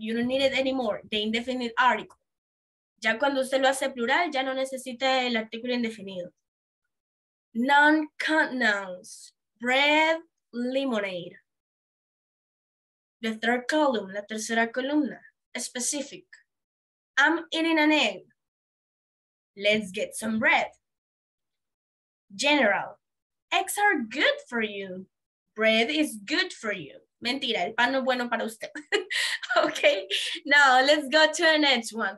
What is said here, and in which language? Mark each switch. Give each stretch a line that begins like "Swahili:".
English: You don't need it anymore, the indefinite article.
Spanish: Ya cuando usted lo hace plural, ya no necesita el artículo indefinido.
English: Non-count nouns, bread, lemonade. The third column,
Spanish: la tercera columna,
English: specific. I'm eating an egg. Let's get some bread. General, eggs are good for you. Bread is good for you.
Spanish: Mentira, el pan no es bueno para usted.
English: Okay, now let's go to the next one.